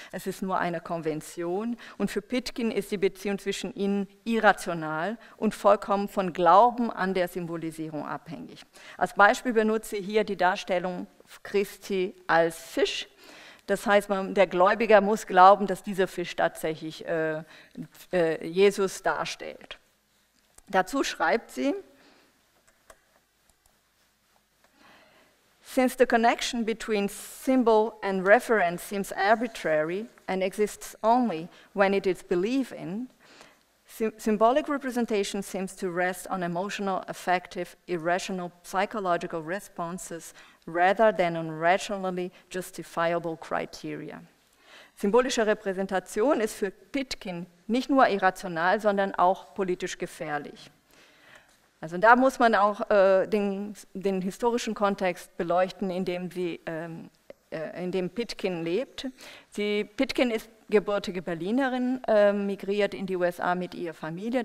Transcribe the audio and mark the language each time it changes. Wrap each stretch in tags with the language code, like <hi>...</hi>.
<de>Es ist nur eine Konvention und für Pitkin ist die Beziehung zwischen ihnen irrational und vollkommen von Glauben an der Symbolisierung abhängig. Als Beispiel benutze ich hier die Darstellung Christi als Fisch. Das heißt, der Gläubiger muss glauben, dass dieser Fisch tatsächlich Jesus darstellt. Dazu schreibt sie:</de> <en>Since the connection between symbol and reference seems arbitrary and exists only when it is believed in, symbolic representation seems to rest on emotional, affective, irrational, psychological responses rather than on rationally justifiable criteria.</en> <de>Symbolische Repräsentation ist für Pitkin nicht nur irrational, sondern auch politisch gefährlich. Also da muss man auch den historischen Kontext beleuchten, in dem Pitkin lebt. Pitkin ist gebürtige Berlinerin, migriert in die USA mit ihrer Familie.</de>